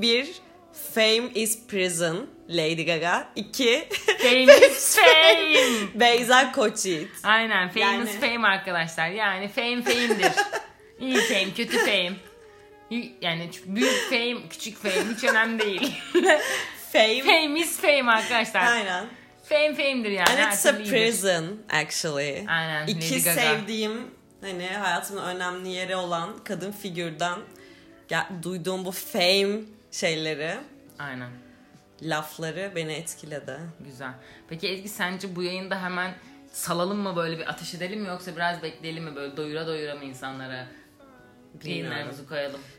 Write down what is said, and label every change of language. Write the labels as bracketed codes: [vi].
[en] Bir, fame is prison, Lady Gaga. İki, fame is fame. [tr] Beyza Koçyiğit. Aynen, fame yani... [en] is fame [tr] arkadaşlar. Yani fame fame'dir. İyi fame, kötü fame. Yani büyük fame, küçük fame hiç önemli değil. Fame. [en] Fame is fame [tr] arkadaşlar. Aynen. Fame fame'dir yani. [en] And it's a prison actually. [tr] Aynen. İki Lady Gaga. Sevdiğim, hani hayatımın önemli yeri olan kadın figürden duyduğum bu fame şeyleri. Aynen. Lafları beni etkiledi. Güzel. Peki Ezgi, sence bu yayında hemen salalım mı, böyle bir ateş edelim mi, yoksa biraz bekleyelim mi, böyle doyura doyura mı insanlara? Yayınlarımızı koyalım.